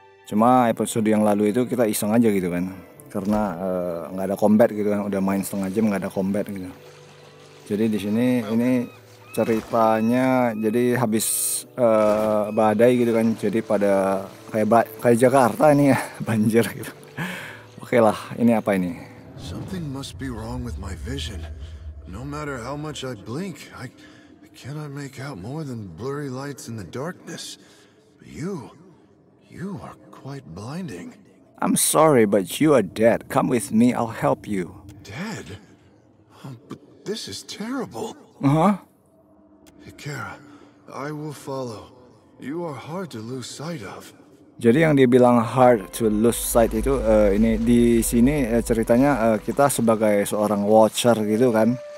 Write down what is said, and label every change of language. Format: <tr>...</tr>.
<id>Cuma episode yang lalu itu kita iseng aja gitu kan. Karena nggak ada combat gitu kan, udah main setengah jam nggak ada combat gitu. Jadi di sini ini ceritanya jadi habis badai gitu kan, jadi pada kayak Jakarta ini ya, banjir gitu. Oke lah, ini apa ini?</id> <en>Something must be wrong with my vision. No matter how much I blink, I cannot make out more than blurry lights in the darkness. But you are quite blinding. I'm sorry, but you are dead. Come with me, I'll help you. Dead? But this is terrible. Uh-huh. Hikara, I will follow. You are hard to lose sight of.</en> <id>Jadi yang dia bilang</id> <en>hard to lose sight</en> <id>itu, ini di sini ceritanya kita sebagai seorang watcher gitu kan.</id>